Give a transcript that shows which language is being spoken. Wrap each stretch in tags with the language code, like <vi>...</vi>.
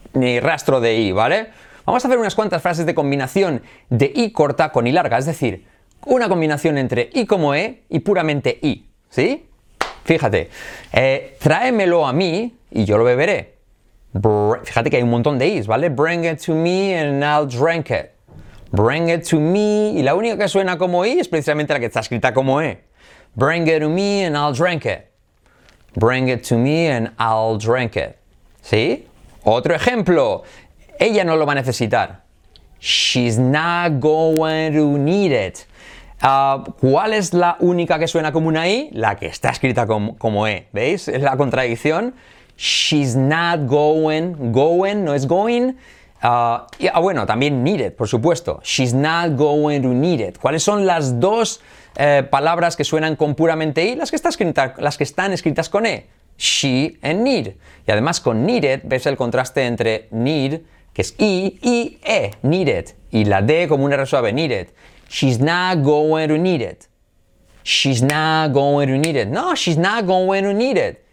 <es>Ni rastro de I, ¿vale? Vamos a hacer unas cuantas frases de combinación de I corta con I larga, es decir, una combinación entre I como E y puramente I, ¿sí? Fíjate, tráemelo a mí y yo lo beberé. Fíjate que hay un montón de is, ¿vale?</es> <en>Bring it to me and I'll drink it. Bring it to me.</en> <es>Y la única que suena como i es precisamente la que está escrita como e.</es> <en>Bring it to me and I'll drink it. Bring it to me and I'll drink it.</en> <es>¿Sí? Otro ejemplo. Ella no lo va a necesitar.</es> <en>She's not going to need it.</en> <es>¿Cuál es la única que suena como una i? La que está escrita como e. ¿Veis? Es la contradicción.</es> <en>She's not going,</en> <es>no es</es> <en>going.</en> <es>Bueno, también</es> <en>need it,</en> <es>por supuesto.</es> <en>She's not going to need it.</en> <es>¿Cuáles son las dos palabras que suenan con puramente I? Las que están escritas con E.</es> <en>She and need.</en> <es>Y además con needed ves el contraste entre need, que es I, y E, needed. Y la D como una R suave,</es> <en>needed. She's not going to need it. She's not going to need it. No, she's not going to need it.</en>